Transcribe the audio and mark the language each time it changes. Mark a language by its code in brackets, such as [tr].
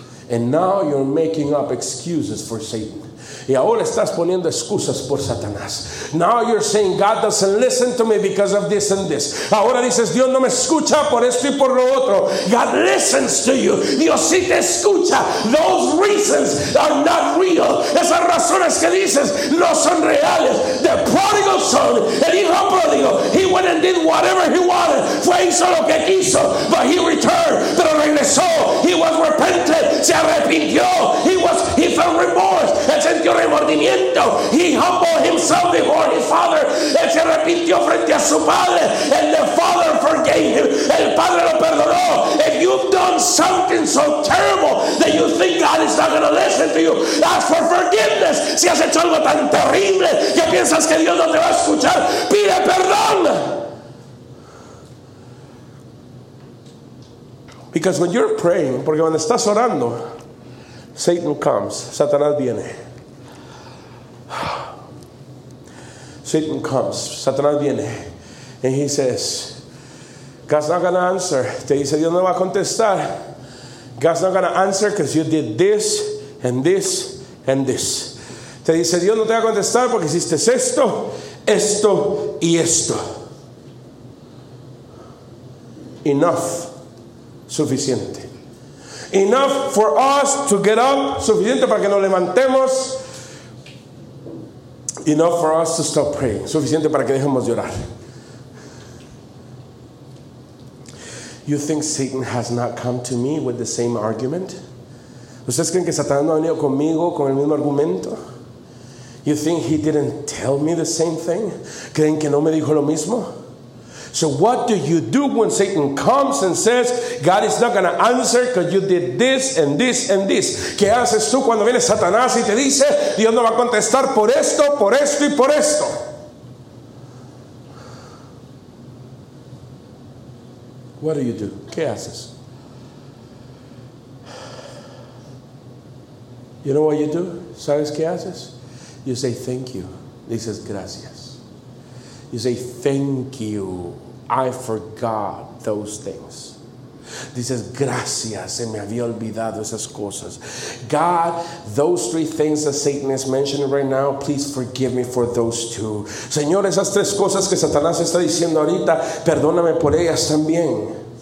[en] And now you're making up excuses for Satan. [es] Y ahora estás poniendo excusas por Satanás. [en] Now you're saying God doesn't listen to me because of this and this. [es] Ahora dices Dios no me escucha por esto y por lo otro. [en] God listens to you. [es] Dios sí te escucha. [en] Those reasons are not real. [es] Esas razones que dices no son reales. [en] The prodigal son, [es] el hijo pródigo, [en] he went and did whatever he wanted. [es] Fue hizo lo que quiso, [en] but he returned. [es] Pero regresó. [en] He was repentant. [es] Se arrepintió. [en] He felt remorse. [es] Él sintió remordimiento. [en] He humbled himself before his father. [es] Él se arrepintió frente a su padre. [en] And the father forgave him. [es] El padre lo perdonó. [en] If you've done something so terrible that you think God is not going to listen to you, ask for forgiveness. [es] Si has hecho algo tan terrible que piensas que Dios no te va a escuchar, pide perdón. [en] Because when you're praying, [es] porque cuando estás orando, [en] Satan comes. [es] Satanás viene. [en] Satan comes. [es] Satanás viene. [en] And he says, God's not going to answer. [es] Te dice, Dios no va a contestar. [en] God's not going to answer because you did this and this and this. [es] Te dice, Dios no te va a contestar porque hiciste esto, esto y esto. [en] Enough. [es] Suficiente. [en] Enough for us to get up. [es] Suficiente para que nos levantemos. [en] Enough for us to stop praying. [es] Suficiente para que dejemos de orar. [en] You think Satan has not come to me with the same argument? [es] ¿Ustedes creen que Satanás no ha venido conmigo con el mismo argumento? [en] You think he didn't tell me the same thing? [es] ¿Creen que no me dijo lo mismo? [en] So what do you do when Satan comes and says, God is not going to answer because you did this and this and this? [es] ¿Qué haces tú cuando viene Satanás y te dice, Dios no va a contestar por esto, por esto y por esto? [en] What do you do? [es] ¿Qué haces? [en] You know what you do? [es] ¿Sabes qué haces? [en] You say thank you. [es] Dices gracias. [en] You say thank you. I forgot those things. [es] Dices gracias. Se me había olvidado esas cosas. [en] God, those three things that Satan is mentioning right now, please forgive me for those two. [es] Señor, esas tres cosas que Satanás está diciendo ahorita, perdóname por ellas también.